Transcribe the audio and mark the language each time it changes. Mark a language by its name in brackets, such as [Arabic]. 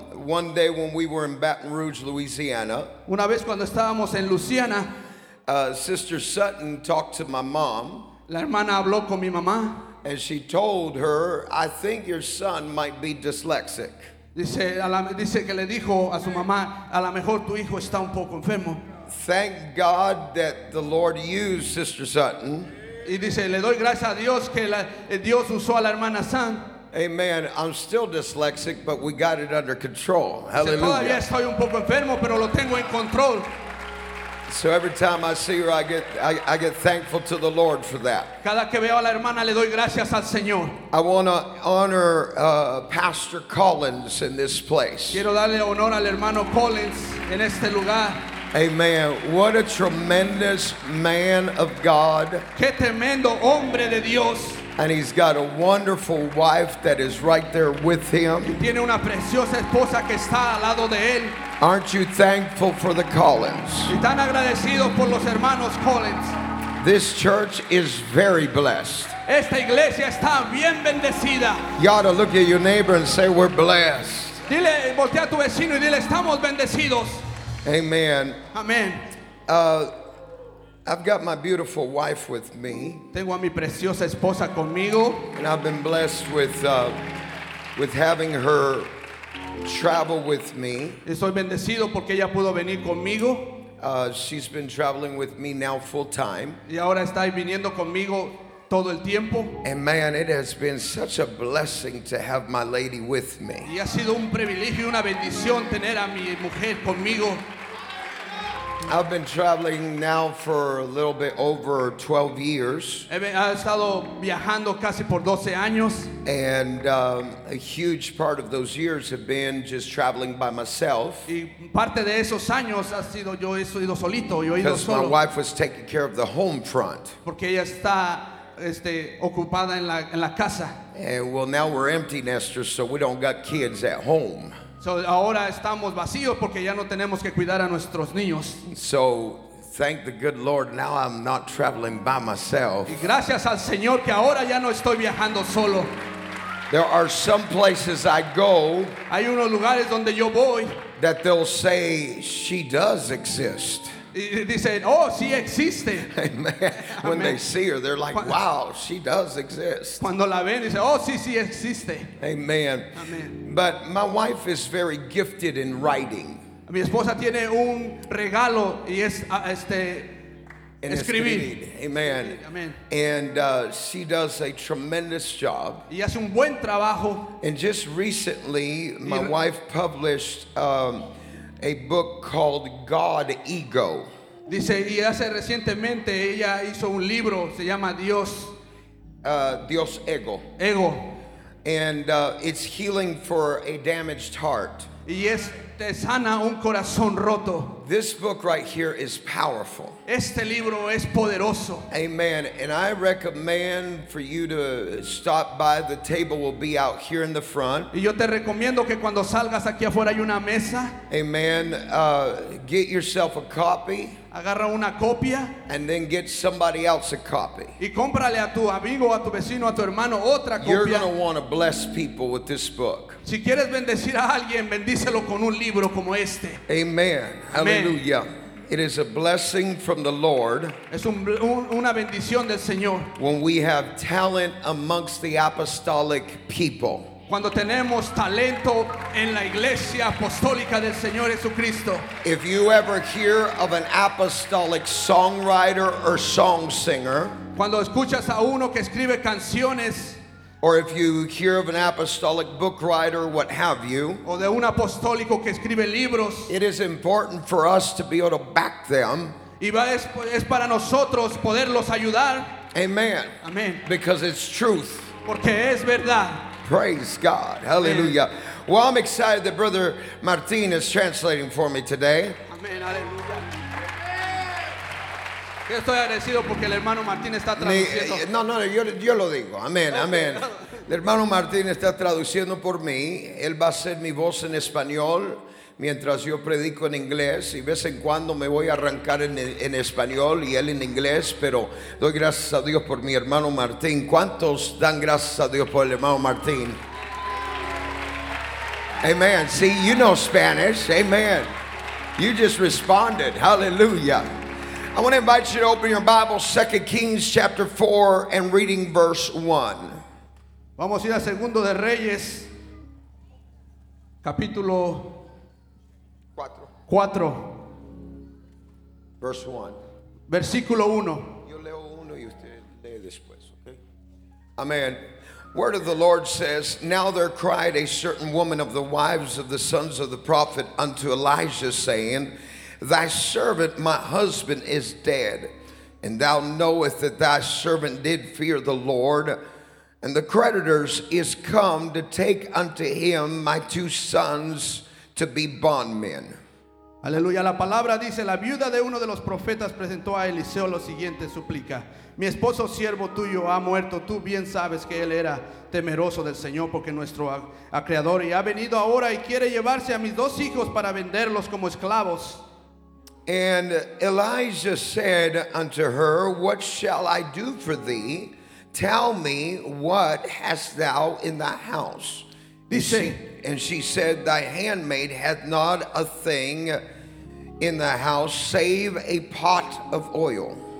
[English] One day when we were in Baton Rouge, Louisiana, [Spanish] una vez cuando estábamos en Louisiana, [English] Sister Sutton talked to my mom. [Spanish] La hermana habló con mi mamá. [English] And she told her, "I think your son might be dyslexic." [Spanish] Dice que le dijo a su mamá, a lo mejor tu hijo está un poco enfermo. [English] Thank God that the Lord used Sister Sutton. [Spanish] Y dice, le doy gracias a Dios que Dios usó a la hermana San. [English] Amen. I'm still dyslexic, but we got it under control. Hallelujah. [Spanish] Todavía estoy un poco enfermo, pero lo tengo en control. [English] So every time I see her, I get thankful to the Lord for that. [Spanish] Cada que veo a la hermana, le doy gracias al Señor. [English] I want to honor Pastor Collins in this place. [Spanish] Quiero darle honor al hermano Collins en este lugar. [English] Amen. What a tremendous man of God. [Spanish] Qué tremendo hombre de Dios. [English] And he's got a wonderful wife that is right there with him. [Spanish] Y tiene una preciosa esposa que está al lado de él. [English] Aren't you thankful for the Collins? [Spanish] Y tan agradecido por los hermanos Collins. [English] This church is very blessed. [Spanish] Esta iglesia está bien bendecida. [English] You ought to look at your neighbor and say, "We're blessed." [Spanish] Dile, voltea a tu vecino y dile, "Estamos bendecidos." [English] Amen. Amen. I've got my beautiful wife with me. [Spanish] Tengo a mi preciosa esposa conmigo. [English] And I've been blessed with having her travel with me. [Spanish] Estoy bendecido porque ella pudo venir conmigo. [English] She's been traveling with me now full time. [Spanish] Y ahora está viniendo conmigo todo el tiempo. [English] And man, it has been such a blessing to have my lady with me. [Spanish] Y ha sido un privilegio y una bendición tener a mi mujer conmigo. [English] I've been traveling now for a little bit over 12 years. [Spanish] He estado viajando casi por 12 años. [English] And a huge part of those years have been just traveling by myself. [Spanish] Y parte de esos años ha sido yo he ido solito, yo he ido solo. [English] Because my wife was taking care of the home front. [Spanish] Porque ella está ocupada en la casa. [English] And well, now we're empty nesters, so we don't got kids at home. [Spanish] So ahora estamos vacíos porque ya no tenemos que cuidar a nuestros niños. [English] So thank the good Lord, now I'm not traveling by myself. [Spanish] Y gracias al Señor que ahora ya no estoy viajando solo. [English] There are some places I go. [Spanish] Hay unos lugares donde yo voy. [English] That they'll say she does exist. [Spanish] Y dicen, oh, sí existe. [English] Amen. When they see her, they're like, wow, she does exist. [Spanish] Cuando la ven, dicen, oh, sí, sí existe. [English] Amen. But my wife is very gifted in writing. [Spanish] Mi esposa tiene un regalo y es escribir. [English] Amen. Amen. And she does a tremendous job. [Spanish] Y hace un buen trabajo. [English] And just recently, my wife published a book called God Ego. [Spanish] Dice y hace recientemente ella hizo un libro se llama Dios Ego. Ego. [English] And it's healing for a damaged heart. [Spanish] Y te sana un corazón roto. [English] This book right here is powerful. [Spanish] Este libro es poderoso. [English] Amen. And I recommend for you to stop by. The table will be out here in the front. [Spanish] Y yo te recomiendo que cuando salgas aquí afuera hay una mesa. [English] Amen. Get yourself a copy. [Spanish] Agarra una copia. [English] And then get somebody else a copy. [Spanish] Y cómprale a tu amigo, a tu vecino, a tu hermano otra copia. [English] You're going to want to bless people with this book. [Spanish] Si quieres bendecir a alguien, bendícelo con un libro como este. [English] Amen. Hallelujah. It is a blessing from the Lord. [Spanish] Es una bendición del Señor. [English] When we have talent amongst the apostolic people. [Spanish] Cuando tenemos talento en la iglesia apostólica del Señor Jesucristo. [English] If you ever hear of an apostolic songwriter or song singer. [Spanish] Cuando escuchas a uno que escribe canciones. [English] Or if you hear of an apostolic book writer, what have you. [Spanish] O de un apostólico que escribe libros. [English] It is important for us to be able to back them. [Spanish] Y es para nosotros poderlos ayudar. [English] Amen. Amen. Because it's truth. [Spanish] Porque es verdad. [English] Praise God. Hallelujah. Amen. Well, I'm excited that Brother Martin is translating for me today. Amen. Hallelujah. [Spanish] Estoy agradecido porque el hermano Martín está traduciendo. Yo lo digo. Amén, amén. El hermano Martín está traduciendo por mí. Él va a ser mi voz en español mientras yo predico en inglés. Y de vez en cuando me voy a arrancar en español y él en inglés. Pero doy gracias a Dios por mi hermano Martín. ¿Cuántos dan gracias a Dios por el hermano Martín? [English] Amen. See, you know Spanish. Amen. You just responded. Hallelujah. I want to invite you to open your Bible, 2 Kings chapter 4, and reading verse 1. [Spanish] Vamos a ir a Segundo de Reyes, capítulo [English] 4. Verse 1. [Spanish] Versículo 1. Yo leo uno y usted lee después, okay? Amen. [English] Word of the Lord says, Now there cried a certain woman of the wives of the sons of the prophet unto Elijah, saying, Thy servant, my husband, is dead. And thou knowest that thy servant did fear the Lord. And the creditors is come to take unto him my two sons to be bondmen. [Spanish] Aleluya. La palabra dice, La viuda de uno de los profetas presentó a Eliseo lo siguiente súplica. Mi esposo siervo tuyo ha muerto. Tú bien sabes que él era temeroso del Señor porque nuestro acreedor. Y ha venido ahora y quiere llevarse a mis dos hijos para venderlos como esclavos. [English] And Elijah said unto her, What shall I do for thee? Tell me, what hast thou in thy house? And she said, Thy handmaid hath not a thing in the house save a pot of oil.